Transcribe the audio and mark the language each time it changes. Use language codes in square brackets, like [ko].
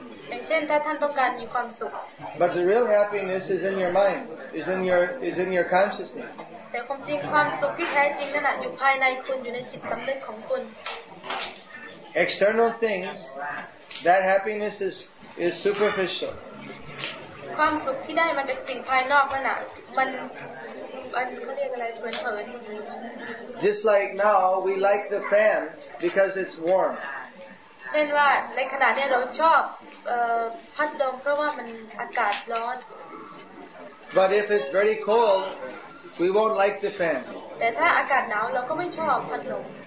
[th] อย่างเช่นถ้าท่านต้องการมีความสุข [en] But the real happiness is in your mind. Is in your consciousness. [th] แต่ความจริงความสุขที่แท้จริงนั่นแหละอยู่ภายในคุณอยู่ในจิตสำนึกของคุณ [en] External things, that happiness is superficial. [th] ความสุขที่ได้มาจากสิ่งภายนอกนั่นแหละมันเขาเรียกอะไรเผินเผิน [en] Just like now we like the fan because it's warm [th] เช่นว่าในขณะนี้เราชอบพัดลมเพราะว่ามันอากาศร้อน [en] But if it's very cold we won't like the fan [th] แต่ถ้าอากาศหนาวเราก็ไม่ชอบพัดลม